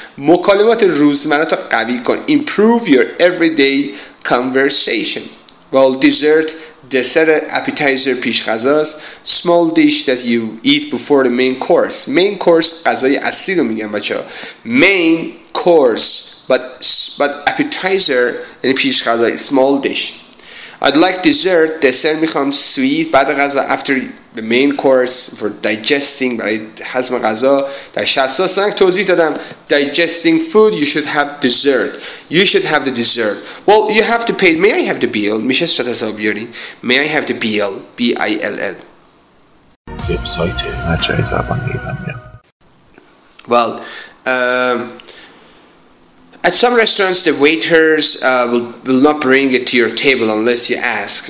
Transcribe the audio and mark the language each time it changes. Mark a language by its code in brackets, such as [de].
[fa] مکالمات روزمره تو قوی کن. [en] Improve your everyday conversation. Well, dessert, appetizer, پیش غذاست. Small dish that you eat before the main course. [fa] Main course, غذای اصلی رو میگم بچه ها. [en] Main course, but appetizer, [fa] یعنی پیش غذا, [en] small dish. I'd like dessert, dessert میخوام sweet, بعد غذا, after the main course, for digesting, [fa] برای هضم غذا. در 60 سنگ توضیح دادم, [en] digesting food, you should have dessert. You should have the dessert. Well, you have to pay. May I have the bill? [fa] میشه صورت حساب بیاری. [en] May I have the bill? B-I-L-L. [fa] وبسایت مرجع زبان ایرانیان. [en] Well, At some restaurants, the waiters will not bring it to your table unless you ask.